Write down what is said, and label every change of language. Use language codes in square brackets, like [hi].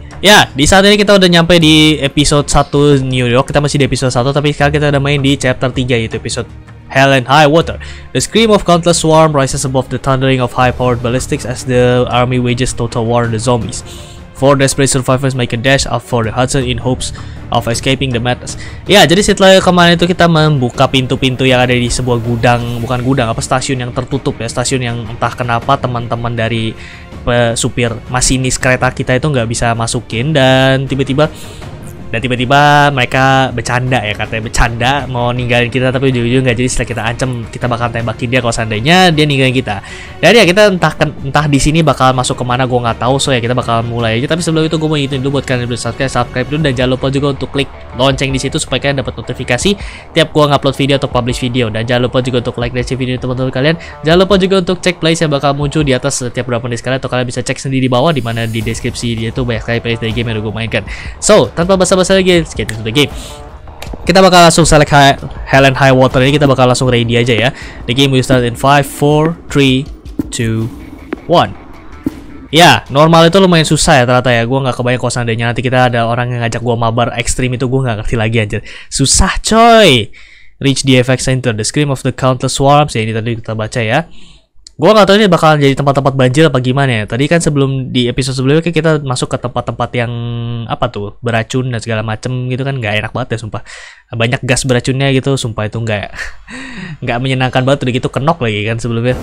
[id] Ya, di saat ini kita udah nyampe di episode 1 New York. Kita masih di episode 1, tapi sekarang kita udah main di chapter 3, yaitu episode Hell and High Water. [en] The scream of countless swarm rises above the thundering of high-powered ballistics as the army wages total war on the zombies. Four desperate survivors make a dash up for the Hudson in hopes of escaping the madness. [id] Ya, jadi setelah kemarin itu kita membuka pintu-pintu yang ada di sebuah gudang, bukan gudang, apa stasiun yang tertutup ya, stasiun yang entah kenapa teman-teman dari supir masinis kereta kita itu nggak bisa masukin, dan tiba-tiba mereka bercanda ya, katanya bercanda mau ninggalin kita, tapi ujung-ujung nggak jadi. Setelah kita ancam, kita bakal tembakin dia kalau seandainya dia ninggalin kita. Dan ya, kita entah di sini bakal masuk kemana, gue nggak tahu. So ya, kita bakal mulai aja. Tapi sebelum itu, gue mau ingetin dulu buat kalian yang belum subscribe dulu, dan jangan lupa juga untuk klik lonceng di situ supaya kalian dapat notifikasi tiap gue ngupload video atau publish video. Dan jangan lupa juga untuk like dan share video teman-teman kalian. Jangan lupa juga untuk cek playlist yang bakal muncul di atas setiap berapa menit sekali, atau kalian bisa cek sendiri di bawah, di mana di deskripsi dia tuh banyak sekali playlist dari game yang udah gue mainkan. So, tanpa basa-basi lagi, [en] let's get into the game. [id] Kita bakal langsung select Hell and High Water ini. Kita bakal langsung ready aja ya. [en] The game will start in 5, 4, 3, 2, 1. [id] Ya, normal itu lumayan susah ya ternyata ya. Gua nggak kebayang kalau seandainya nanti kita ada orang yang ngajak gua mabar ekstrim itu, gua nggak ngerti lagi anjir. Susah coy. [en] Reach the effect center, the scream of the countless swarms. [id] Ya, ini tadi kita baca ya. Gua nggak tahu ini bakalan jadi tempat-tempat banjir apa gimana ya. Tadi kan sebelum di episode sebelumnya kan kita masuk ke tempat-tempat yang apa tuh, beracun dan segala macem gitu kan, nggak enak banget ya sumpah. Banyak gas beracunnya gitu, sumpah itu nggak menyenangkan banget. Udah gitu kenok lagi kan sebelumnya.